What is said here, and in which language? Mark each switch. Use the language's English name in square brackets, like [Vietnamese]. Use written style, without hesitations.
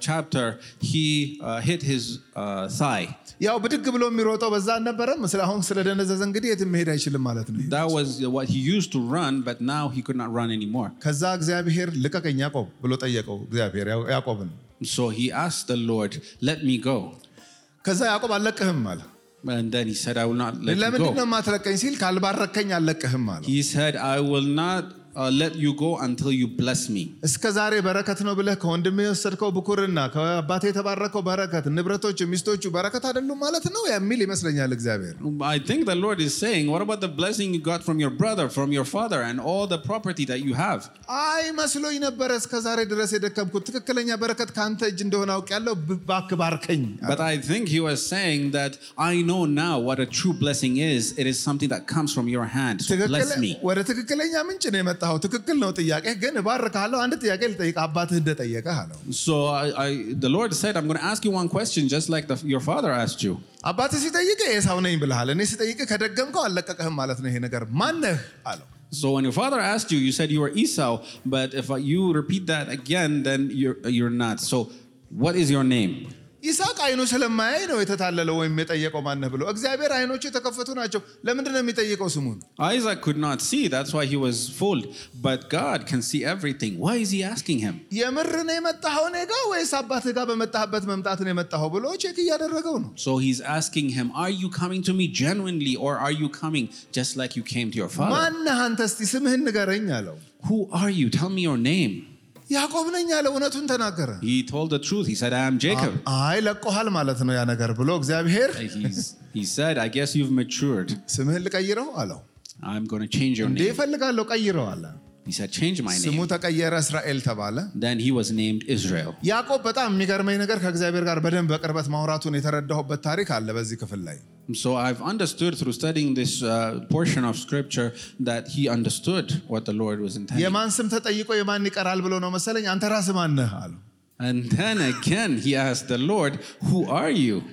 [English] On the final chapter he hit his thigh. [Amharic] ያው ብድግ ብሎ የሚሮጠው በዛ ነበርም ስለአሁን ስለደነዘዘ እንግዲህ የትም መሄድ አይችልም ማለት ነው. [English] That was what he used to run but now he could not run anymore. [Amharic] ከዛ እግዚአብሔር ልቀቀኝ ያዕቆብ ብሎ ጠየቀው እግዚአብሔር ያዕቆብን. [English] So he asked the Lord, "Let me go." [Amharic] ከዛ ያዕቆብ አለቀህም አለ. [English] And then he said, "I will not let you go." [Amharic] ለምን እንደም አትለቀኝ ሲል ካልባረከኝ አለቀህም አለ. [English] He said, "I will not let you go until you bless me." [Amharic] እስከዛሬ በረከት ነው ብለህ ከወንድሜ ወሰድከው ብኩርና ከአባቴ ተባረከው በረከት ንብረቶቹ ምስቶቹ በረከት አይደሉም ማለት ነው የሚል ይመስለኛል እግዚአብሔር. [English] I think the Lord is saying, "What about the blessing you got from your brother, from your father and all the property that you have?" [Amharic] አይ መስሎኝ ነበር እስከዛሬ ድረስ የደከምኩት ትክክለኛ በረከት ካንተ እጅ እንደሆነ አውቃለሁ ባክ ባርከኝ. [English] But I think he was saying that I know now what a true blessing is. It is something that comes from your hand. So bless me. [Amharic] ወደ ትክክለኛ ምንጭ ነው ታው ትክክል ነው ጥያቄ ግን ባርካለሁ አንድ ጥያቄ ልጠይቅ አባቴ እንደ ጠየቀ አለው. [English] So the Lord said I'm going to ask you one question just like your father asked you. [Amharic] አባቴ ሲጠይቀ ኤሳው ነኝ ብለሃል እኔ ሲጠይቀ ከደገምከው አለቀቀህም ማለት ነው ይሄ ነገር ማን ነህ አለው. [English] So when your father asked you you said you were Esau but if you repeat that again then you're not. So what is your name? [Amharic] ኢሳቅ አይኑ ስለማያይ ነው የተታለለው ወይ የሚጠየቀው ማን ነው ብሎ እግዚአብሔር አይኖቹ የተከፈቱ ናቸው ለምንድን ነው የሚጠየቀው ስሙን? [English] Isaac could not see that's why he was fooled but God can see everything why is he asking him? [Amharic] የምር ነው የመጣው ነው ጋ ወይስ አባቴ ጋር በመጣህበት መምጣት ነው የመጣው ብሎ ቼክ ያደረገው ነው. [English] So he's asking him are you coming to me genuinely or are you coming just like you came to your father? [Amharic] ማን ነህ አንተ እስቲ ስምህን ንገረኝ አለው. [English] Who are you tell me your name? [Amharic] ያዕቆብ ነኝ ያለው እነቱን ተናገረ. [English] He told the truth he said I am Jacob. [Amharic] አይ ለቆሃል ማለት ነው ያ ነገር ብሎ እግዚአብሔር. [English] He said I guess you've matured. [Amharic] ስምህን ልቀይረው አለው. [English] I'm going to change your name. [Amharic] እንዴ ፈልጋለሁ ቀይረው አለ. [English] He said change my name. [Amharic] ስሙ ተቀየረ እስራኤል ተባለ. [English] Then he was named Israel. [Amharic] ያዕቆብ በጣም የሚገርመኝ ነገር ከእግዚአብሔር ጋር በደንብ በቅርበት ማውራቱን የተረዳሁበት ታሪክ አለ በዚህ ክፍል ላይ. [English] So I've understood through studying this portion of scripture that he understood what the Lord was intending. [Amharic] የማን ስም ተጠይቆ የማን ይቀራል ብሎ ነው መሰለኝ አንተ ራስህ ማን ነህ አለው. [English] And then again, he asked the Lord, "Who are you?"